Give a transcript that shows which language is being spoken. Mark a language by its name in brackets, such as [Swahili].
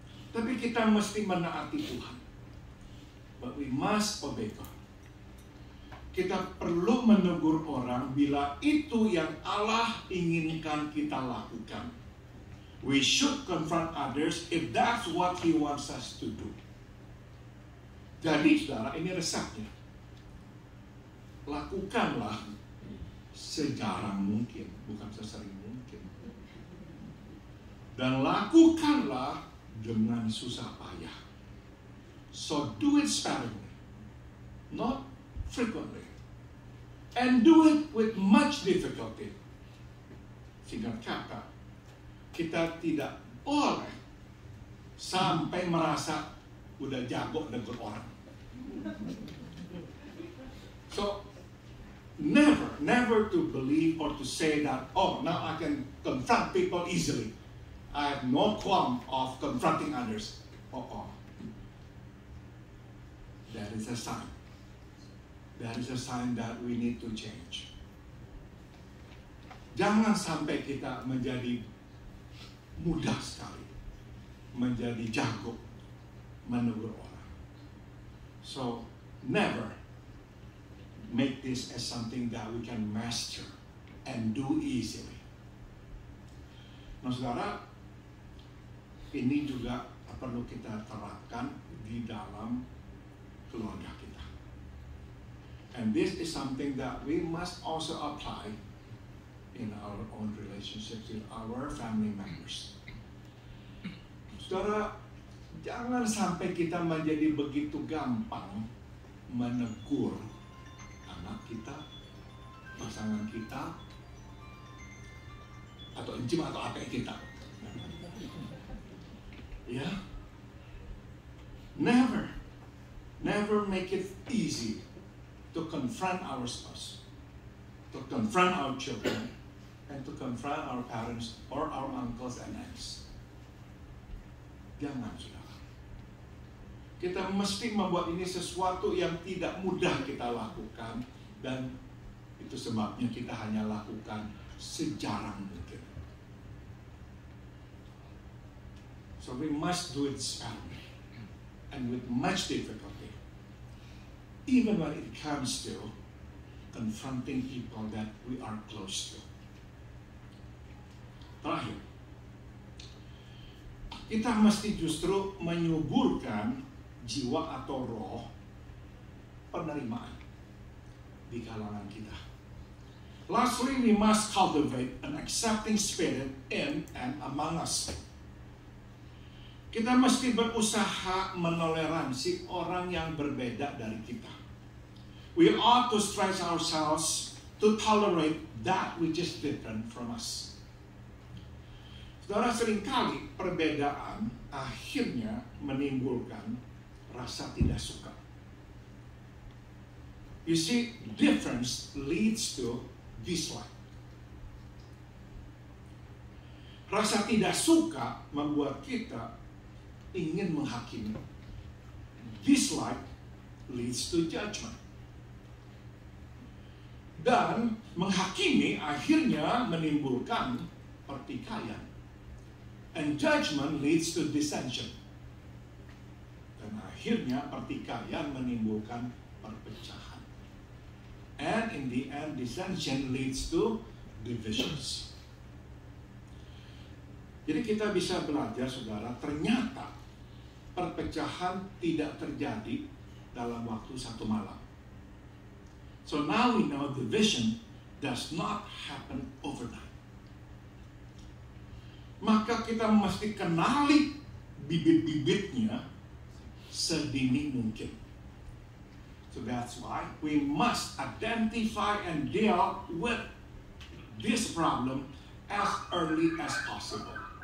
[Indonesian] Tapi kita mesti menaati Tuhan. [English] But we must obey God. [Indonesian] Kita perlu menegur orang bila itu yang Allah inginkan kita lakukan. [English] We should confront others if that's what He wants us to do. [Indonesian] Jadi, saudara, ini resepnya. Lakukanlah sejarang mungkin, bukan sesering mungkin. Dan lakukanlah dengan susah payah. [English] So do it sparingly, not frequently, and do it with much difficulty. [Indonesian] Singkat kata, kita tidak boleh sampai merasa udah jago dengan orang. [English] So never to believe or to say that, oh, now I can confront people easily. I have no qualm of confronting others. Oh. That is a sign. That is a sign that we need to change. [Indonesian] Jangan sampai kita menjadi mudah sekali, menjadi jago menegur orang. [English] So, never make this as something that we can master and do easily. [Indonesian] Nah, saudara, ini juga perlu kita terapkan di dalam keluarga kita. [English] And this is something that we must also apply in our own relationships with our family members. [Indonesian] Saudara, jangan sampai kita menjadi begitu gampang menegur anak kita, pasangan kita, atau encim atau apa kita. [English] Ya, never make it easy to confront our spouse, to confront our children, and to confront our parents or our uncles and aunts. [Indonesian] Jangan, saudara. Kita mesti membuat ini sesuatu yang tidak mudah kita lakukan, dan itu sebabnya kita hanya lakukan sejarang mungkin. [English] So we must do it sparingly and with much difficulty, even when it comes to confronting people that we are close to. [Indonesian] Terakhir, kita mesti justru menyuburkan jiwa atau roh penerimaan di kalangan kita. [English] Lastly, we must cultivate an accepting spirit in and among us. [Indonesian] Kita mesti berusaha menoleransi orang yang berbeda dari kita. [English] We ought to stretch ourselves to tolerate that which is different from us. [Indonesian] Saudara, seringkali perbedaan akhirnya menimbulkan rasa tidak suka. [English] You see, difference leads to dislike. [Indonesian] Rasa tidak suka membuat kita ingin menghakimi. [English] Dislike leads to judgment. [Indonesian] Dan menghakimi akhirnya menimbulkan pertikaian. [English] And judgment leads to dissension. [Indonesian] Dan akhirnya pertikaian menimbulkan perpecahan. [English] And in the end, dissension leads to divisions. [Indonesian] Jadi kita bisa belajar, saudara, ternyata perpecahan tidak terjadi dalam waktu satu malam. [English] So now we know division does not happen overnight. [Indonesian] Maka kita mesti kenali bibit-bibitnya sedini mungkin. [English] So that's why we must identify and deal with this problem as early as possible.